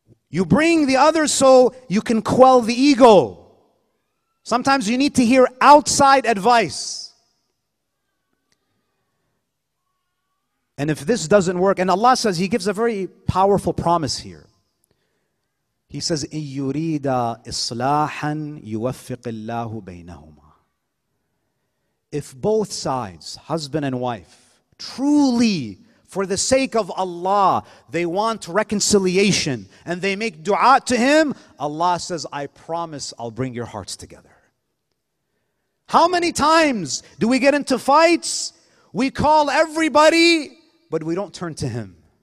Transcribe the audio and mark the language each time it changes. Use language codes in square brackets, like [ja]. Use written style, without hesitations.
[en] You bring the other so you can quell the ego. Sometimes you need to hear outside advice. And if this doesn't work, and Allah says, he gives a very powerful promise here. He says, [ar] إِن يُرِيدَ إِصْلَاحًا يُوَفِّقِ اللَّهُ بَيْنَهُمَا. [en] If both sides, husband and wife, truly, for the sake of Allah, they want reconciliation, and they make dua to Him, Allah says, I promise I'll bring your hearts together. How many times do we get into fights? We call everybody, but we don't turn to Him.